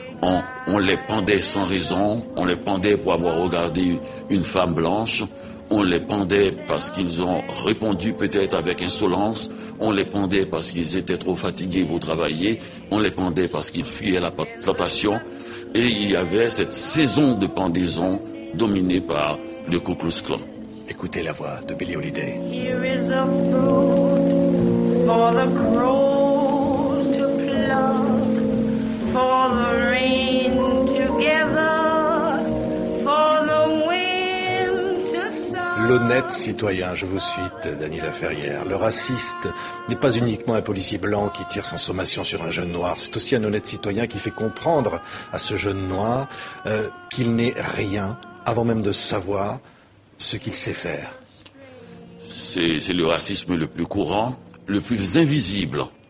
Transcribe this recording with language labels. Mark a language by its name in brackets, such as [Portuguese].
[French] On les pendait sans raison, on les pendait pour avoir regardé une femme blanche, on les pendait parce qu'ils ont répondu peut-être avec insolence, on les pendait parce qu'ils étaient trop fatigués pour travailler, on les pendait parce qu'ils fuyaient la plantation, et il y avait cette saison de pendaison dominée par le Ku Klux Klan. Écoutez la voix de Billie Holiday. [English] Here is a fruit for the crows to pluck, for the rain to gather, for the wind to sigh. [French] L'honnête citoyen, je vous suis, Daniela Ferrière. Le raciste n'est pas uniquement un policier blanc qui tire sans sommation sur un jeune noir. C'est aussi un honnête citoyen qui fait comprendre à ce jeune noir qu'il n'est rien avant même de savoir ce qu'il sait faire. C'est le racisme le plus courant, le plus invisible.